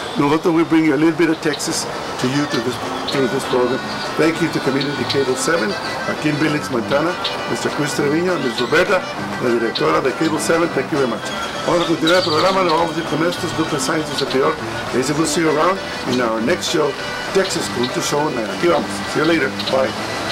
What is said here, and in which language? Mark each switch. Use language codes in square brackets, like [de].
[es] Nosotros [en] we bring you a little bit of Texas to you through this program. Thank you to Community Cable 7 [es] aquí en [en] Billings, Montana. Mr. Chris Treviño, Ms. Roberta, [es] la directora de [en] Cable 7, thank you very much. [es] Vamos a continuar el programa, lo vamos a ir con estos Lupe, Saenz y Sepior. [en] We'll see you around in our next show, Texas Conjunto Show. [es] Aquí vamos. [en] See you later. Bye.